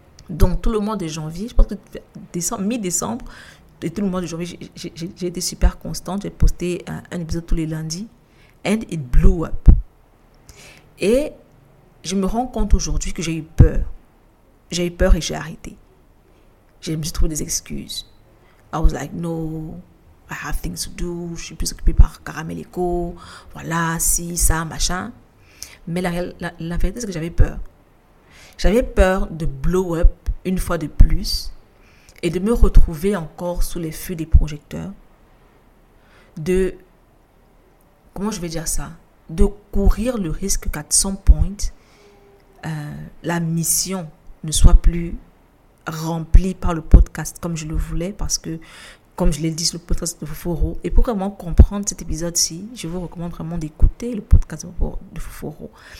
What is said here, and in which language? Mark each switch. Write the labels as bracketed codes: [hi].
[fr] Donc, tout le mois de janvier, je pense que décembre, mi-décembre, et tout le mois de janvier, j'ai été super constante. J'ai posté un épisode tous les lundis. [en] And it blew up. [fr] Et je me rends compte aujourd'hui que j'ai eu peur. J'ai eu peur et j'ai arrêté. J'ai mis trop des excuses. [en] I was like, no, I have things to do. [fr] Je suis plus occupée par Caramel Echo. Voilà, si, ça, machin. Mais la vérité, c'est que j'avais peur. J'avais peur de blow up une fois de plus et de me retrouver encore sous les feux des projecteurs. De, comment je vais dire ça? De courir le risque qu'à some point, la mission ne soit plus remplie par le podcast comme je le voulais, parce que, comme je l'ai dit sur le podcast de Foforo, et pour vraiment comprendre cet épisode-ci, je vous recommande vraiment d'écouter le podcast de Foforo.